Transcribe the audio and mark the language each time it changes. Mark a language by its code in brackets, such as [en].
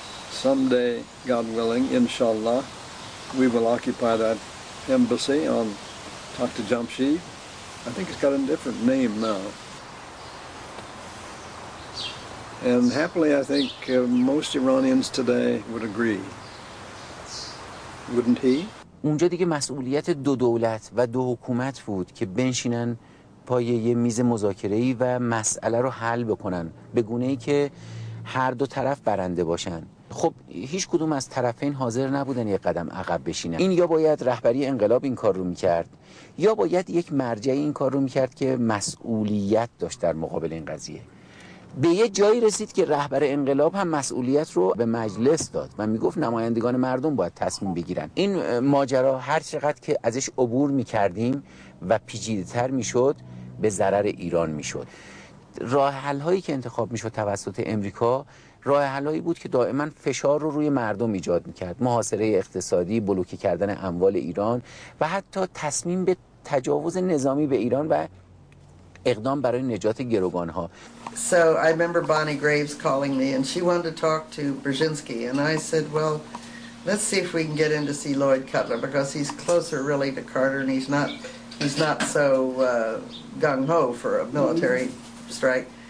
[en] Someday, God willing, inshallah, we will occupy that embassy on Tahrir Jamshid. I think it's got a different name now. And happily, I think most Iranians today would agree. Wouldn't he? [fa] اونجا دیگه مسئولیت دو دولت و دو حکومت بود که بنشینن پای یه میز مذاکره‌ای و مسئله رو حل بکنن به گونه‌ای که هر دو طرف برنده باشن. خب هیچ کدوم از طرفین حاضر نبودن یه قدم عقب بشینن. این یا باید رهبری انقلاب این کار رو میکرد یا باید یک مرجع این کار رو میکرد که مسئولیت داشت در مقابل این قضیه. به یه جایی رسید که رهبر انقلاب هم مسئولیت رو به مجلس داد و میگفت نمایندگان مردم باید تصمیم بگیرن. این ماجرا هر چقدر که ازش عبور میکردیم و پیچیده‌تر میشد به ضرر ایران میشد. راه حل هایی که انتخاب میشد توسط امریکا راه حل هایی بود که دائما فشار رو روی مردم ایجاد میکرد. محاصره اقتصادی، بلوکه کردن اموال ایران و حتی تصمیم به تجاوز نظامی به ایران و اقدام برای نجات گروگان ها. [en] So I remember Bonnie Graves calling me and she wanted to talk to Brzezinski and I said, well, let's see if we can get in to see Lloyd Cutler because he's closer really to Carter and he's not so gung-ho for a military strike.